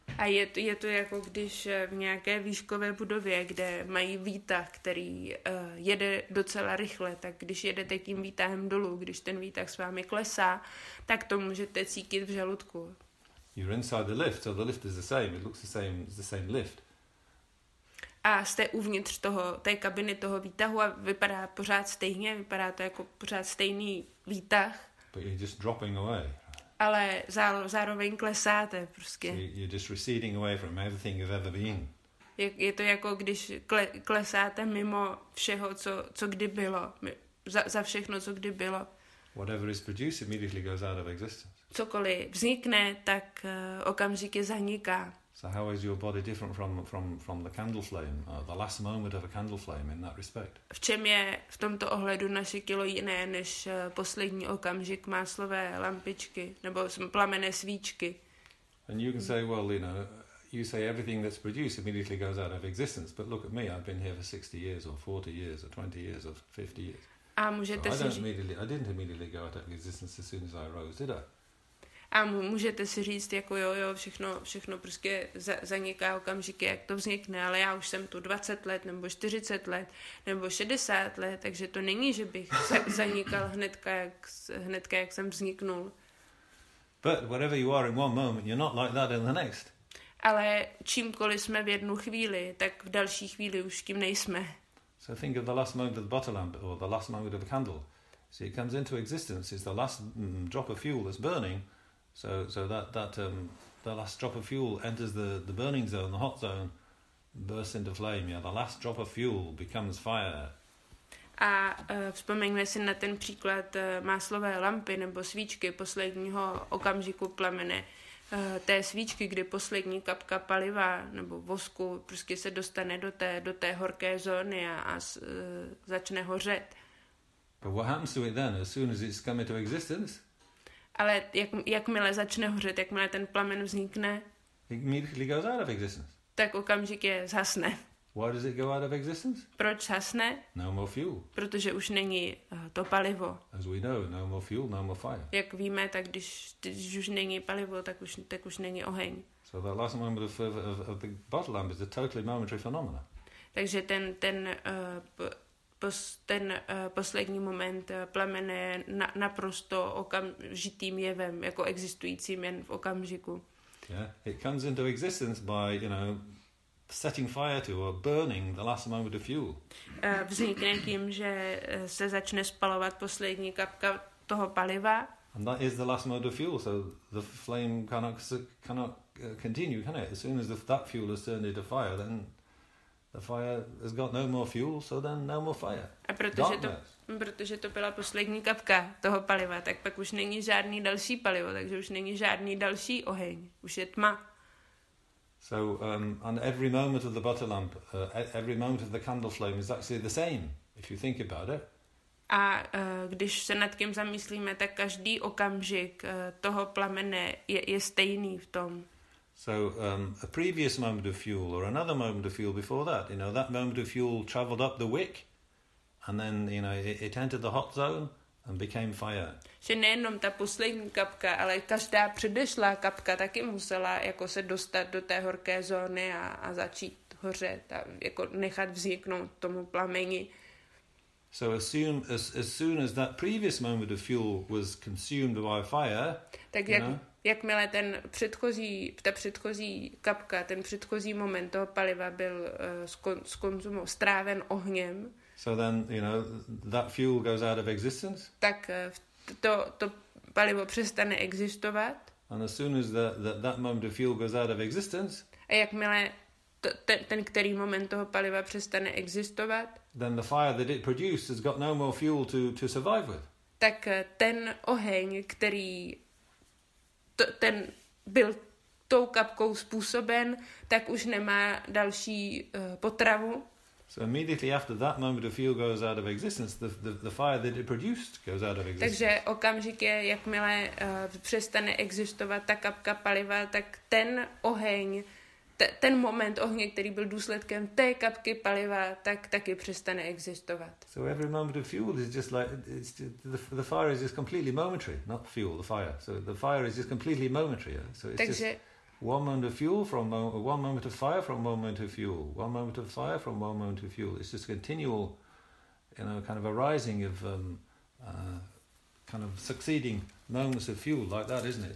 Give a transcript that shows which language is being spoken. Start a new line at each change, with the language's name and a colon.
Czech: A je to, je to jako když v nějaké výškové budově, kde mají výtah, který jede docela rychle, tak když jedete tím výtahem dolů, když ten výtah s vámi klesá, tak to můžete cítit v žaludku.
English: You're inside the lift, so the lift is the same, it looks the same, it's the same lift.
Czech: A jste uvnitř toho, té kabiny, toho výtahu a vypadá pořád stejně, vypadá to jako pořád stejný výtah.
English: But you're just dropping away.
Czech: Ale zároveň klesáte prostě.
English: So you're just receding away from everything you've ever been.
Czech: Je, je to jako, když klesáte mimo všeho, co, co kdy bylo. Za všechno, co kdy bylo.
English: Whatever is produced immediately goes out of existence.
Czech: Cokoliv vznikne, tak okamžitě zaniká.
English: So how is your body different from the candle flame, the last moment of a candle flame in that respect?
Czech: V čem je v tomto ohledu naše tělo jiné než poslední okamžik máslové lampičky nebo plamené svíčky?
English: And you can say, well, you know, you say everything that's produced immediately goes out of existence, but look at me, I've been here for 60 years or 40 years or 20 years or 50 years.
Czech: A můžete
English: so I didn't immediately go out of existence as soon as I rose, did I?
Czech: A můžete si říct, jako jo, jo, všechno, všechno prostě zaniká okamžiky, jak to vznikne, ale já už jsem tu 20 let, nebo 40 let, nebo 60 let, takže to není, že bych zanikal hnedka, jak jsem vzniknul.
English: But whatever you are in one moment, you're not like that in the next.
Czech: Ale čímkoliv jsme v jednu chvíli, tak v další chvíli už tím nejsme.
English: So think of the last moment of the bottle lamp, or the last moment of the candle. See, it comes into existence, it's the last drop of fuel that's burning. So that last drop of fuel enters the burning zone, the hot zone, bursts into flame. Yeah, the last drop of fuel becomes fire.
Czech: A vzpomeňme si na ten příklad máslové lampy nebo svíčky posledního okamžiku plamene. Té svíčky, kdy poslední kapka paliva nebo vosku prostě se dostane do té horké zóny a začne hořet.
English: But what happens to it then? As soon as it's come into existence?
Czech: Ale jak, jakmile začne hořet, jakmile ten plamen vznikne,
English: immediately goes out of existence.
Czech: Tak okamžitě zhasne.
English: Why does it go out of existence?
Czech: Proč zhasne?
English: No more fuel.
Czech: Protože už není to palivo.
English: As we know, no more fuel, no more fire.
Czech: Jak víme, tak když už není palivo, tak už není oheň.
English: So the last moment of the bottle lamp is a totally momentary phenomenon.
Czech: Takže ten poslední moment plamene je naprosto okamžitým jevem, jako existujícím jen v okamžiku.
English: Yeah, it comes into existence by, you know, setting fire to or burning the last moment of fuel.
Czech: Vznikne tím, že se začne spalovat poslední kapka toho paliva.
English: And that is the last moment of fuel, so the flame cannot continue, can it? As soon as that fuel has turned into fire, then the fire has got no more fuel, so then no more fire.
Czech: A protože to byla poslední kapka toho paliva, tak pak už není žádný další palivo, takže už není žádný další oheň, už je tma.
English: So and every moment of the butter lamp, every moment of the candle flame is actually the same if you think about it.
Czech: A když se nad tím zamyslíme, tak každý okamžik toho plamene je stejný v tom.
English: So a previous moment of fuel or another moment of fuel before that, you know, that moment of fuel traveled up the wick and then, you know, it entered the hot zone and became fire.
Czech: Že nejenom ta poslední kapka, ale každá předešlá kapka taky musela jako se dostat do té horké zóny a začít hořet a jako nechat vzniknout tomu plameni.
English: So as soon as that previous moment of fuel was consumed by fire,
Czech: tak jak,
English: you know,
Czech: jakmile ten předchozí, ta předchozí kapka, ten předchozí moment toho paliva byl stráven ohněm.
English: So then, you know, that fuel goes out of existence.
Czech: Tak to palivo přestane existovat.
English: And as soon as that moment of fuel goes out of existence.
Czech: A jakmile ten který moment toho paliva přestane existovat.
English: Then the fire that it produced has got no more fuel to survive with.
Czech: Tak ten oheň, který ten byl tou kapkou způsoben, tak už nemá další potravu.
English: So immediately after that moment of fuel goes out of existence, the fire that it produced goes out of existence.
Czech: Takže okamžitě, jakmile přestane existovat ta kapka paliva, tak ten oheň, ten moment ohně, který byl důsledkem té kapky paliva, tak taky přestane existovat.
English: So every moment of fuel is just like it's just, the fire is just completely momentary, not fuel, the fire. So the fire is just completely momentary. Yeah? So it's
Czech: takže,
English: just one moment of fuel from one moment of fire from one moment of fuel, one moment of fire from one moment of fuel. It's just a continual, you know, kind of arising of kind of succeeding moments of fuel like that, isn't it?